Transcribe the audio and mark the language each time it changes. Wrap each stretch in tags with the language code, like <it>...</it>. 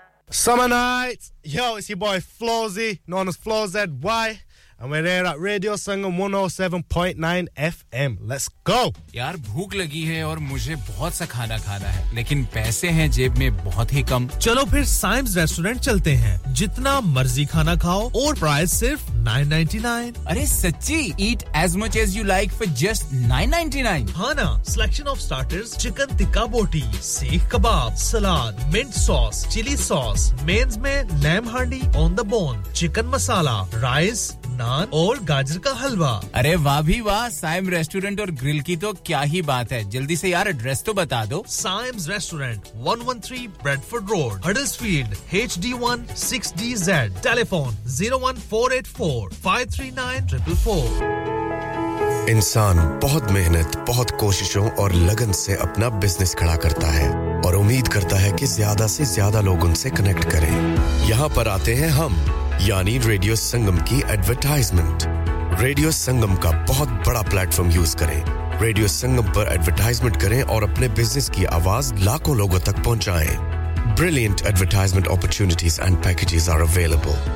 <en>Summer night, yo, it's your boy Flozy, known as FlozZY, and we're here at Radio Sangam 107.9 FM. Let's go.</en> <hi>यार भूख लगी है और मुझे बहुत सा खाना खाना है, लेकिन पैसे हैं जेब में बहुत ही कम. चलो फिर साइम्स रेस्टोरेंट चलते हैं. जितना मर्जी खाना खाओ और प्राइस सिर्फ $9.99. अरे सच्ची?</hi> <en>Eat as much as you like for just $9.99.</en> <hi>हाँ ना.</hi> <en>Selection of starters: chicken tikka boti, seekh kebab, salad, mint sauce, chili sauce. Mains में lamb handi on the bone, chicken masala, rice, naan और</en> <hi>गाजर का हलवा. अरे वाह भी वाह. साइम रेस्टोरेंट और ग्रिल की तो क्या ही बात है. जल्दी से यार एड्रेस तो बता दो. Symons restaurant, 113 Bradford road, Huddersfield, HD1 6DZ. Telephone 01484 539 444. इंसान बहुत मेहनत, बहुत कोशिशों और लगन से अपना बिजनेस खड़ा करता है और उम्मीद करता है कि ज्यादा से ज्यादा लोग उनसे कनेक्ट करें. यहाँ पर आते हैं हम, यानी रेडियो संगम की एडवर्टाइजमेंट. रेडियो संगम का बहुत बड़ा प्लेटफॉर्म यूज करें. रेडियो संगम पर एडवर्टाइजमेंट करें और अपने बिजनेस की आवाज लाखों लोगों तक पहुंचाएं.</hi> <en>Brilliant advertisement opportunities and packages are available.</en>